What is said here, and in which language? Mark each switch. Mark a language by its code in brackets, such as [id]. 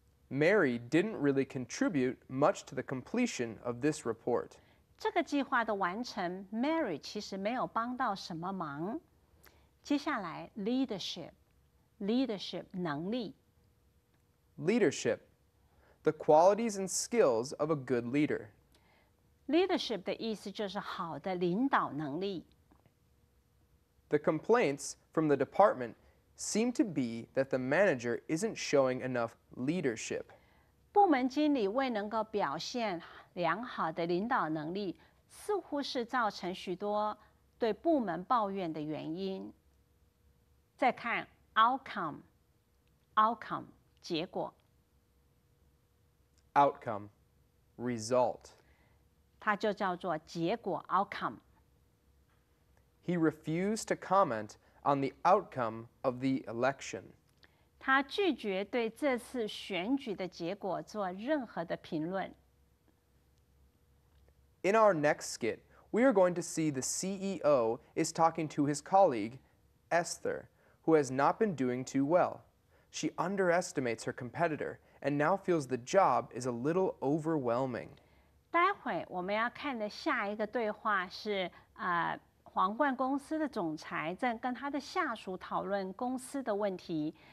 [en] Mary didn't really contribute much to the completion of this report. [zh] 这个计划的完成 ，Mary 其实没有帮到什么忙。接下来 ，leadership 能力。 [en] Leadership, the qualities and skills of a good leader. [zh] Leadership 的意思就是好的领导能力。 [en] The complaints from the department seem to be that the manager isn't showing enough leadership. [zh] 部门经理未能够表现良好的领导能力，似乎是造成许多对部门抱怨的原因。再看 outcome 结果 [en] outcome result [zh] 它就叫做结果 outcome [en] He refused to comment on the outcome of the election [zh] 他拒绝对这次选举的结果做任何的评论 [en] In our next skit, we are going to see the CEO is talking to his colleague, Esther. Who has not been doing too well. She underestimates her competitor and now feels the job is a little overwhelming. [zh] 待会我们要看的下一个对话是皇冠公司的总裁在跟他的下属讨论公司的问题。